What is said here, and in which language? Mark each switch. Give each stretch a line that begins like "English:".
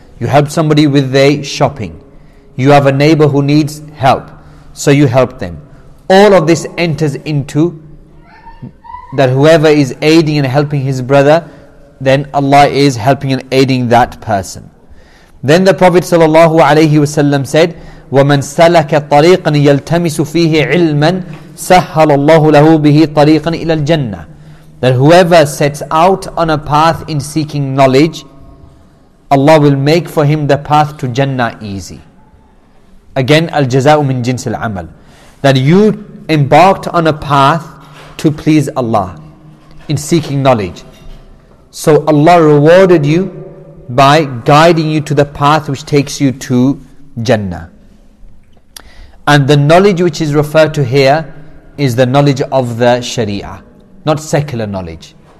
English: You help somebody with their shopping. You have a neighbor who needs help, so you help them. All of this enters into that whoever is aiding and helping his brother, then Allah is helping and aiding that person. Then the Prophet sallallahu alaihi wasallam said,
Arabic: وَمَنْ سَلَكَ طَرِيقًا يَلْتَمِسُ فِيهِ عِلْمًا سَهَّلَ اللَّهُ لَهُ بِهِ طَرِيقًا إِلَى الْجَنَّةِ.
English: That whoever sets out on a path in seeking knowledge, Allah will make for him the path to Jannah easy.
Arabic: Again, الْجَزَاءُ مِنْ جِنْسِ الْعَمَلِ.
English: That you embarked on a path to please Allah in seeking knowledge. So Allah rewarded you by guiding you to the path which takes you to Jannah. And the knowledge which is referred to here is the knowledge of the Sharia, not secular knowledge.